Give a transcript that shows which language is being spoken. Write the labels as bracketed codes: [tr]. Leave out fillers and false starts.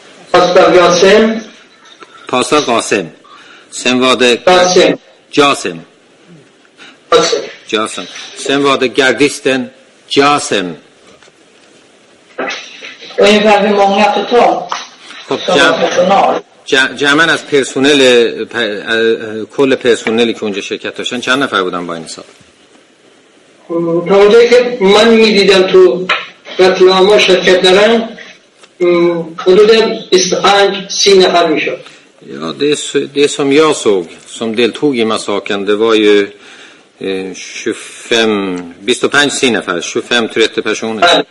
[sv] Pasta Qasim. Pasta Qasim. Sen var det Qasim. Qasim. Sen var det gardisten Qasim. Ungefär hur många totalt? [fa] خب جمعاً از پرسونل کل پرسونلی که اونجا شرکت داشتن چند نفر بودن با این حساب؟ تا اونجایی که من میدیدم تو قتل‌عام شرکت دارن حدود 25-30 نفر میشد. [sv] Ja, det som jag såg som deltog i massaken, det var ju 25-30 [fa] nafar, [sv] 25-30 personer.